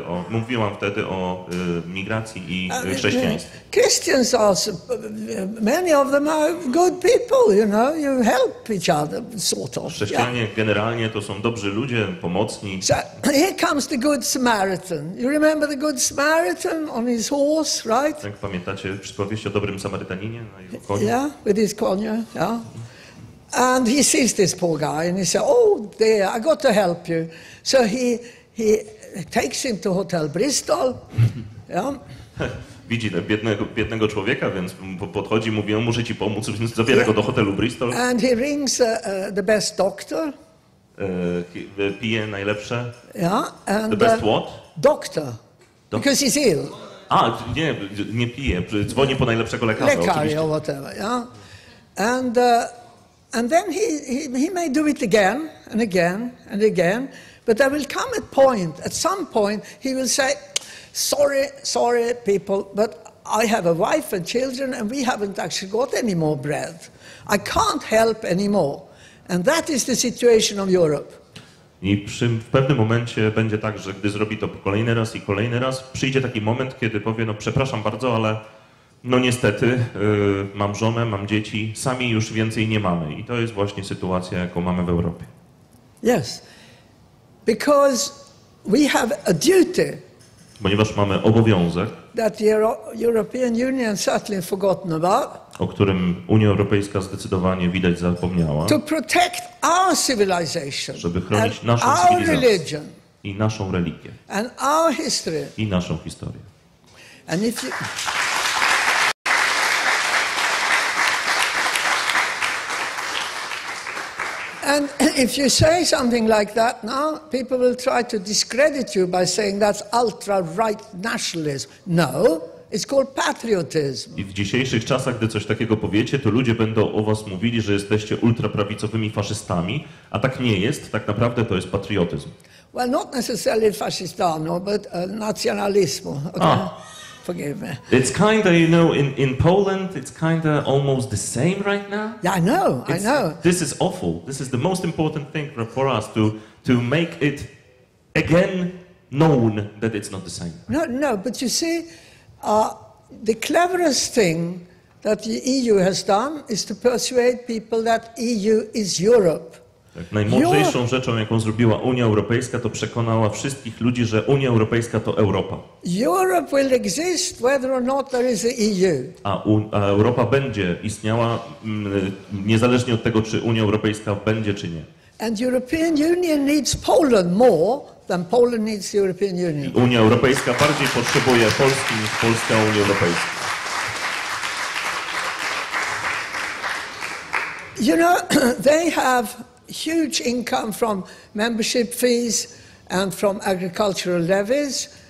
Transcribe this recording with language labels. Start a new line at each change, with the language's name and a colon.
Polish: Mówiłam wtedy o migracji i chrześcijaństwie.
English: Christians are, many of them are good people, you know, you help each other, sort of.
Polish: Chrześcijanie generalnie to są dobrzy ludzie, pomocni.
English: So, here comes the Good Samaritan. You remember the Good Samaritan on his horse, right?
Polish: Tak, pamiętacie przypowieść o dobrym Samarytaninie na jego koniu?
English: Yeah, with his konia, yeah. And he sees this poor guy and he says, oh dear, I got to help you. So he takes him to Hotel Bristol. Yeah.
Polish: Widzi tego biednego człowieka, więc podchodzi, mówi, on może ci pomóc, więc zabiera go do hotelu Bristol.
English: And he rings the best doctor.
Polish: Pije najlepsze.
English: Yeah. And the best what? Doctor. Because he's ill.
Polish: A, nie pije, dzwoni po najlepszego lekarza.
English: Lekarz, or whatever, yeah. And then he may do it again and again and again, but there will come a point, at some point, he will say, sorry people, but I have a wife and children and we haven't actually got any more bread. I can't help anymore. And that is the situation of Europe.
Polish: I w pewnym momencie będzie tak, że gdy zrobi to kolejny raz i kolejny raz, przyjdzie taki moment, kiedy powie, no przepraszam bardzo, ale no niestety mam żonę, mam dzieci, sami już więcej nie mamy. I to jest właśnie sytuacja, jaką mamy w Europie.
English: Yes. Because we have a duty.
Polish: Ponieważ mamy obowiązek,
English: that the European Union certainly forgotten about,
Polish: o którym Unia Europejska zdecydowanie widać zapomniała,
English: to protect our civilization,
Polish: żeby chronić
English: and
Polish: naszą
English: our
Polish: cywilizację
English: religion,
Polish: i naszą religię
English: and our history.
Polish: I naszą historię.
English: And if you, and if you say something like that now, people will try to discredit you by saying that's ultra-right nationalism. No, it's called patriotism.
Polish: I w dzisiejszych czasach, gdy coś takiego powiecie, to ludzie będą o was mówili, że jesteście ultraprawicowymi faszystami, a tak nie jest, tak naprawdę to jest patriotyzm.
English: Well, not necessarily faszistano, but nacjonalizmu. Okay? Ah. Forgive me. It's kind of, you know, in Poland, it's kind of almost the same right now. Yeah, I know, it's, I know. This is awful. This is the most important thing for us to make it again known that it's not the same. No, no, but you see, the cleverest thing that the EU has done is to persuade people that EU is Europe.
Polish: Tak, najmądrzejszą rzeczą, jaką zrobiła Unia Europejska, to przekonała wszystkich ludzi, że Unia Europejska to Europa.
English: Europe will exist whether or not there is a EU.
Polish: A Europa będzie istniała niezależnie od tego, czy Unia Europejska będzie, czy nie.
English: And European Union needs Poland more than Poland needs the European Union.
Polish: Unia Europejska bardziej potrzebuje Polski niż Polska Unii Europejskiej.
English: You know, they have huge income from membership fees and from agricultural levies.